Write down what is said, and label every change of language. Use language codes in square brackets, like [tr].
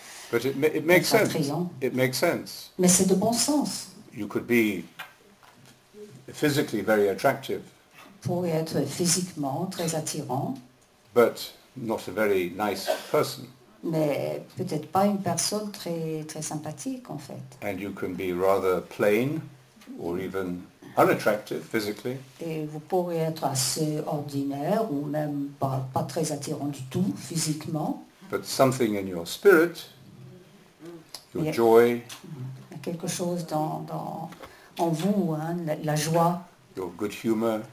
[en] But it makes sense. Attrayant. It makes sense. [fr] Mais c'est de bon sens. [en] You could be physically very attractive. [fr] Pour être physiquement très attirant. [en] But not a very nice person. [fr] Mais peut-être pas une personne très très sympathique en fait. [en] And you can be rather plain or even unattractive physically. [fr] Et vous pourrez être assez ordinaire ou même pas très attirant du tout physiquement. [en] But something in your spirit, your joy. [fr] Quelque chose dans en vous, hein, la joie. [en] Your good humor.